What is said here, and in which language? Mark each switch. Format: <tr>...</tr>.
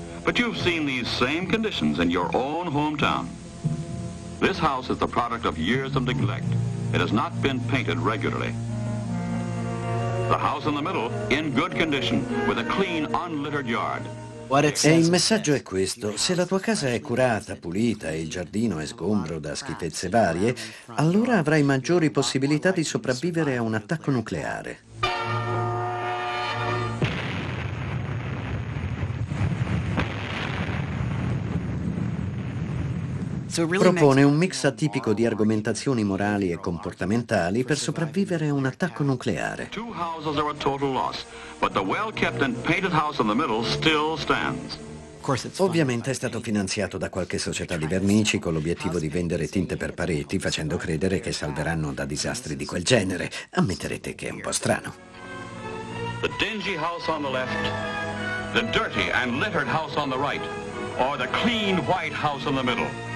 <en>But you've seen these same conditions in your own hometown. This house is the product of years of neglect. It has not been painted regularly. The house in the middle, in good condition, with a clean, unlittered yard.</en> <it>E il messaggio è questo: se la tua casa è curata, pulita e il giardino è sgombro da schifezze varie, allora avrai maggiori possibilità di sopravvivere a un attacco nucleare. Propone un mix atipico di argomentazioni morali e comportamentali per sopravvivere a un attacco nucleare.</it> <en>Two houses are a total loss, but the well-kept and painted house in the middle still stands.</en> <it>Ovviamente è stato finanziato da qualche società di vernici con l'obiettivo di vendere tinte per pareti, facendo credere che salveranno da disastri di quel genere. Ammetterete che è un po' strano.</it> <en>The dingy house on the left, the dirty and littered house on the right, or the clean white house in the middle.</en>